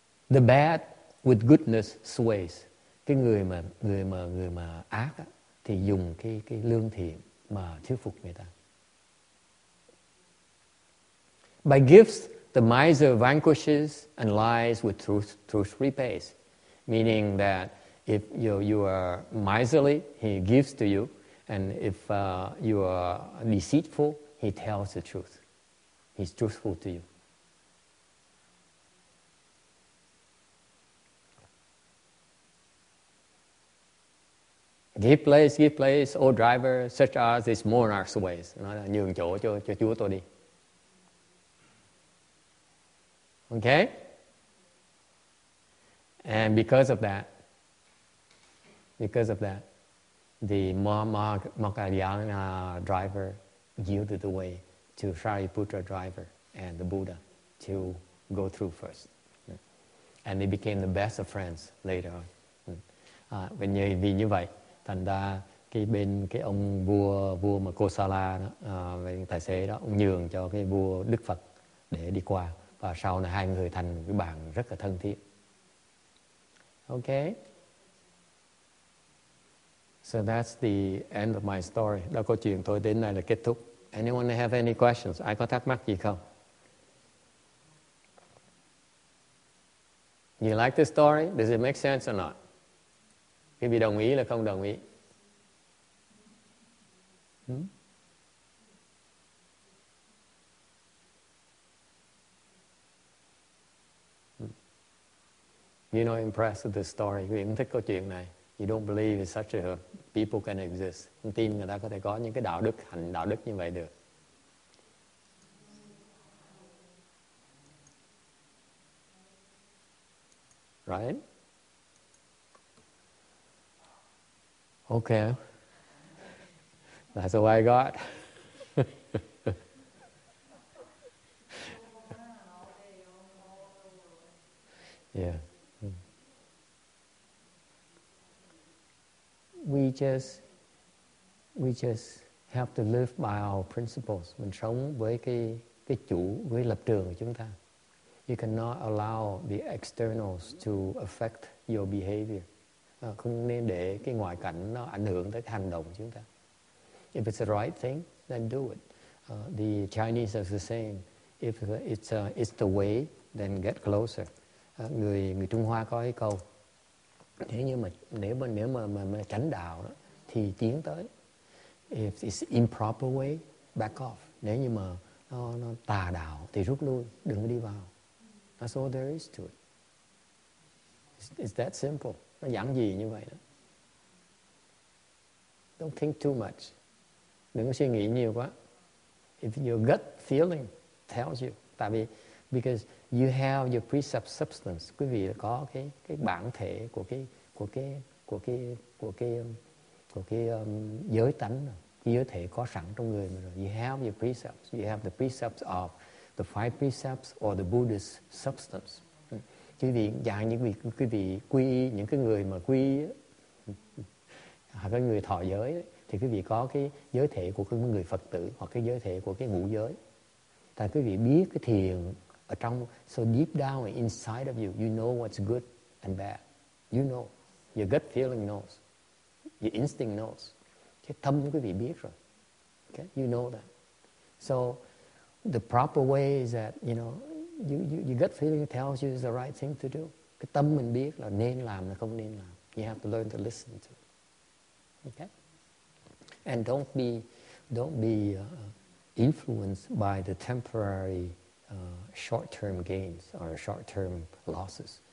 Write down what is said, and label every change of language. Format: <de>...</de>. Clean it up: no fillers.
<en>The bad with goodness sways.</en> <vi>Cái người mà ác á, thì dùng cái lương thiện mà thuyết phục người ta.</vi> <en>By gifts, the miser vanquishes and lies with truth repays. Meaning that if you are miserly, he gives to you. And if you are deceitful, he tells the truth. He's truthful to you. Give place, O driver, such as this monarch's ways.</en> <vi>Nói là nhường chỗ cho Chúa tôi đi.</vi> <en>Okay? And because of that, the Mahamogadhyayana driver yielded the way to Shariputra driver and the Buddha to go through first. And they became the best of friends later on. When you be</en> <vi>như vậy, thành ra cái bên cái ông vua mà Kosala đó, tài xế đó, ông nhường cho cái vua Đức Phật để đi qua, và sau này hai người thành cái bạn rất là thân thiết.</vi> <en>Ok, so that's the end of my story.</en> <vi>Đó, câu chuyện thôi, đến đây là kết thúc.</vi> <en>Anyone have any questions?</en> <vi>Ai có thắc mắc gì không?</vi> <en>You like this story? Does it make sense or not?</en> <vi>Quý vị đồng ý là không đồng ý?</vi> <en>You're not impressed with this story.</en> <vi>Quý vị không thích câu chuyện này.</vi> <en>You don't believe such a people can exist.</en> <vi>Không tin người ta có thể có những cái đạo đức, hành đạo đức như vậy được.</vi> <en>Right? Okay, that's all I got. Yeah. we just have to live by our principles.</en> <vi>Mình sống với cái chủ, với lập trường của chúng ta.</vi> <en>You cannot allow the externals to affect your behavior.</en> <vi>Không nên để cái ngoại cảnh nó ảnh hưởng tới cái hành động của chúng ta.</vi> <en>If it's the right thing, then do it. The Chinese are the same. If it's the way, then get closer.</en> <vi>Người Trung Hoa có cái câu. Thế nhưng mà nếu mà tránh đạo đó, thì tiến tới.</vi> <en>If it's improper way, back off.</en> <vi>Nếu như mà nó tà đạo thì rút lui, đừng đi vào.</vi> <en>That's all there is to it. It's that simple.</en> <vi>Nó giản dị như vậy đó.</vi> <en>Don't think too much.</en> <vi>Đừng có suy nghĩ nhiều quá.</vi> <en>If your gut feeling tells you,</en> <vi>tại vì</vi> <en>because you have your precept substance,</en> <vi>quý vị có cái bản thể của cái giới tánh, cái giới thể có sẵn trong người mình rồi.</vi> <en>You have your precepts, you have the precepts of the five precepts or the Buddhist substance.</en> <vi>Quý vị dạng những vị quý vị quy những cái người mà quy hoặc cái người thọ giới ấy, thì quý vị có cái giới thể của cái người Phật tử hoặc cái giới thể của cái ngũ giới. Tại quý vị biết cái thiền ở trong,</vi> <en>so deep down inside of you, you know what's good and bad. You know. Your gut feeling knows. Your instinct knows.</en> <vi>Cái tâm quý vị biết rồi.</vi> <en>Okay? You know that. So the proper way is that, you know, your gut feeling tells you it's the right thing to do.</en> <vi>Cái tâm mình biết là nên làm là không nên làm.</vi> <en>You have to learn to listen to it. Okay? And don't be influenced by the temporary short-term gains or short-term losses.</en>